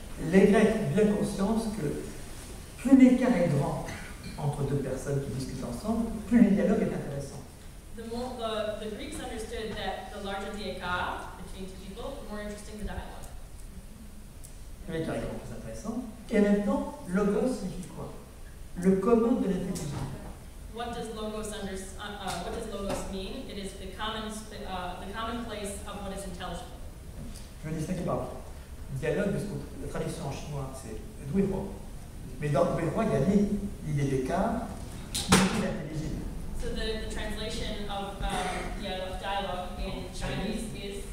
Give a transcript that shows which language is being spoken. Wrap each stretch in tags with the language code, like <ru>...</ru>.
<fr>les Grecs ont bien conscience que plus l'écart est grand entre deux personnes qui discutent ensemble, plus le dialogue est intéressant.</fr> <en>The more the Greeks understood that the larger the écart between two people, the more interesting the dialogue.</en> <fr>Plus l'écart est grand, plus intéressant. Et en même temps, logos signifie quoi? Le commun de l'intelligence.</fr> <en>What does logos what does logos mean? It is the common the common place of what is intelligible.</en> <fr>Je vais distinguer par dialogue, parce que la traduction en chinois, c'est Duihuo. Mais dans Duihuo, il y a l'idée d'écart, l'idée d'intelligible.</fr> <en>So the translation of dialogue in Chinese is</en>